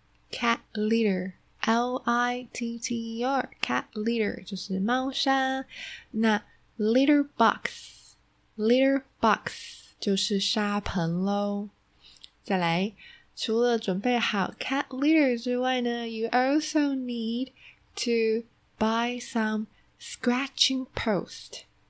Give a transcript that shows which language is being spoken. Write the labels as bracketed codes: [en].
[en] cat litter L-I-T-T-E-R cat litter [zh] 就是猫砂。那 litter box 就是沙盆咯。再来，除了准备好 cat litter 之外呢， [en] you also need to buy some scratching post。